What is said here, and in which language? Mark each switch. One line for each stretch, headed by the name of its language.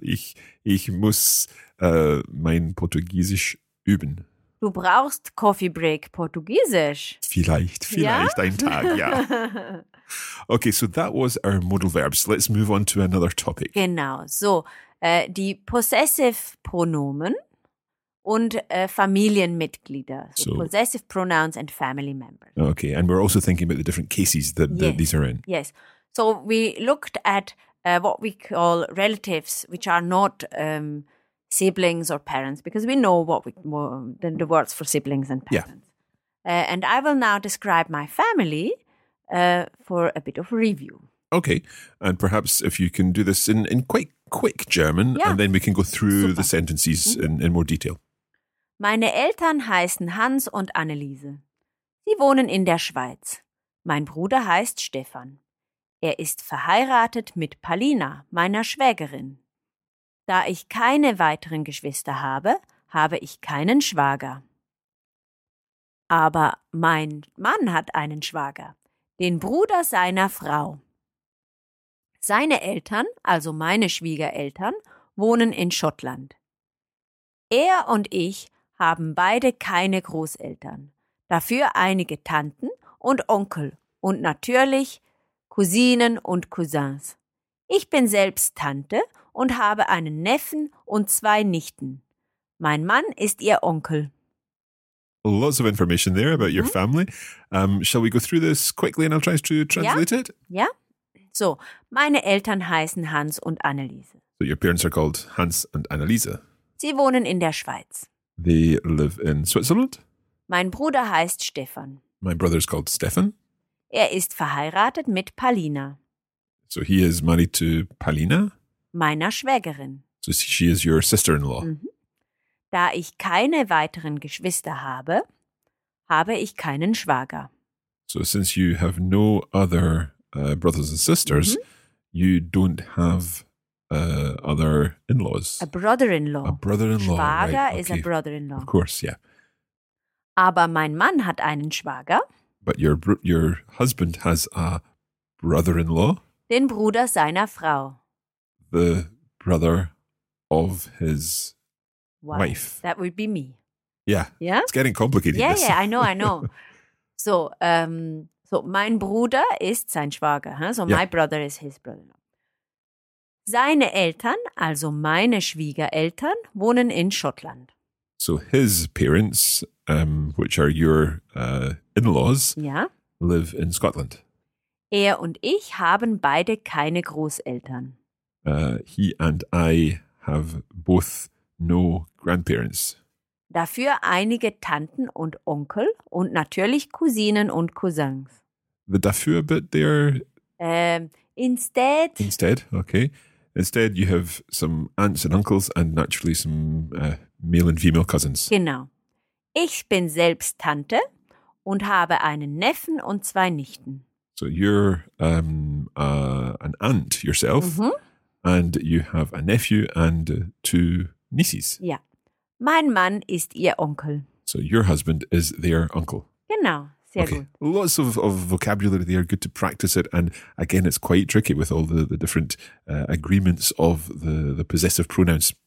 German: Ich muss mein Portugiesisch üben. Du brauchst Coffee Break Portugiesisch. Vielleicht ja? Ein Tag, ja.
English: Okay, so that was our modal verbs. Let's move on to another topic.
German: Genau, so die Possessive Pronomen und Familienmitglieder.
English: So Possessive Pronouns and Family Members. Okay, and we're also thinking about the different cases that, yes. that these are in. Yes. So we looked at what we call relatives, which are not siblings or parents, because we know the words for siblings and parents. Yeah. And I will now describe my family for a bit of review. Okay. And perhaps if you can do this in quite quick German, yeah. and then we can go through Super. The sentences mm-hmm. in more detail.
German: Meine Eltern heißen Hans und Anneliese. Sie wohnen in der Schweiz. Mein Bruder heißt Stefan. Er ist verheiratet mit Palina, meiner Schwägerin. Da ich keine weiteren Geschwister habe, habe ich keinen Schwager. Aber mein Mann hat einen Schwager, den Bruder seiner Frau. Seine Eltern, also meine Schwiegereltern, wohnen in Schottland. Er und ich haben beide keine Großeltern, dafür einige Tanten und Onkel und natürlich Cousinen und Cousins. Ich bin selbst Tante und habe einen Neffen und zwei Nichten. Mein Mann ist ihr Onkel.
English: Lots of information there about your family. Shall we go through this quickly and I'll try to translate it?
German: Ja. So, meine Eltern heißen Hans und Anneliese.
English: So your parents are called Hans and Anneliese.
German: Sie wohnen in der Schweiz.
English: They live in Switzerland.
German: Mein Bruder heißt Stefan.
English: My brother is called Stefan.
German: Er ist verheiratet mit Palina.
English: So he is married to Palina?
German: Meiner Schwägerin.
English: So she is your sister-in-law.
German: Da ich keine weiteren Geschwister habe, habe ich keinen Schwager.
English: So since you have no other brothers and sisters, you don't have other in-laws. A brother-in-law. A brother-in-law,
German: Schwager
English: right. is okay. a brother-in-law. Of course, yeah.
German: Aber mein Mann hat einen Schwager.
English: But your husband has a brother-in-law.
German: Den Bruder seiner Frau.
English: the brother of his wife. That would be me. Yeah. Yeah. It's getting complicated. Yeah, yeah, I know, I know.
German: So, so mein Bruder ist sein Schwager, huh?
English: So, yeah. My brother is his brother.
German: Seine Eltern, also meine Schwiegereltern, wohnen in Schottland.
English: So his parents, which are your in-laws, yeah, live in Scotland.
German: Er und ich haben beide keine Großeltern.
English: He and I have both no grandparents.
German: Dafür einige Tanten und Onkel und natürlich Cousinen und Cousins.
English: The dafür bit there? Instead. Instead, okay. Instead, you have some aunts and uncles and naturally some male and female cousins.
German: Genau. Ich bin selbst Tante und habe einen Neffen und zwei Nichten.
English: So you're an aunt yourself, mm-hmm, and you have a nephew and two nieces.
German: Ja. Mein Mann ist ihr Onkel.
English: So your husband is their uncle.
German: Genau. Sehr
English: okay.
German: Gut.
English: Lots of vocabulary there. Good to practice it. And again, it's quite tricky with all the different agreements of the possessive pronouns.